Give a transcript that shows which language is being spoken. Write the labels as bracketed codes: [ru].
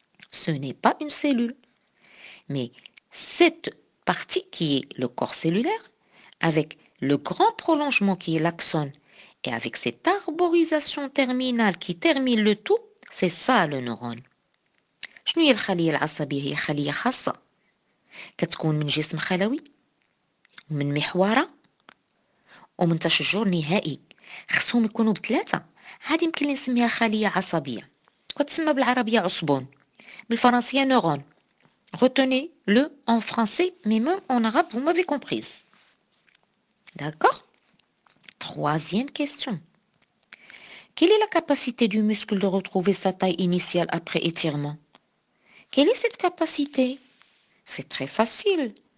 [fr] Ce n'est pas une cellule. Mais cette partie qui est le corps cellulaire, avec le grand prolongement qui est l'axone, et avec cette arborisation terminale qui termine le tout, c'est ça le neurone. [ar] شنو هي الخلية العصبية هي خلية خاصة كتكون من جسم خلوي ومن محورة ومن تشجر نهائي خصهم يكونوا بثلاثة هذه يمكن نسميها خلية عصبية وتسمى بالعربية عصبون بالفرنسية نورون. [fr] Retenez-le en français, mais même en arabe, vous m'avez comprise. D'accord? Troisième question. Quelle est la capacité du muscle de retrouver sa taille initiale après étirement? Quelle est cette capacité? C'est très facile.